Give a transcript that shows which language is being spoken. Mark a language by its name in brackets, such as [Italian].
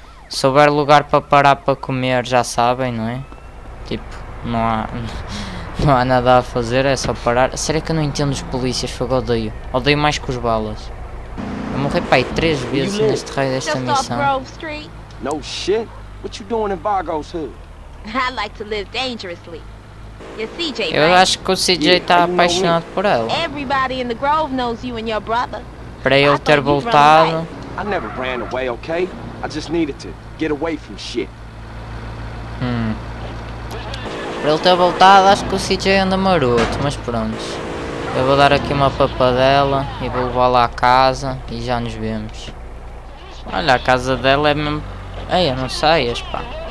[Portuguese] Se houver lugar para parar para comer, já sabem, não é? Tipo, não há nada a fazer, é só parar. Será que eu não entendo os polícias? Fogo, odeio. Odeio mais que os balas. Eu morri, pai, 3 vezes neste raio desta missão. [English] No shit. What you doing in Vargo's hood? I like to live dangerously. CJ, [Portuguese] eu acho que o CJ está apaixonado por ela. [English] Everybody in the Grove knows you and your brother. [Portuguese] Para ele ter voltado. [English] I never ran away, okay? I just needed to get away from shit. [Portuguese] Para ele ter voltado, acho que o CJ anda maroto, mas pronto. Eu vou dar aqui uma papadela e vou levar lá a casa e já nos vemos. Olha, a casa dela é mesmo. Ei, eu não sei, pá.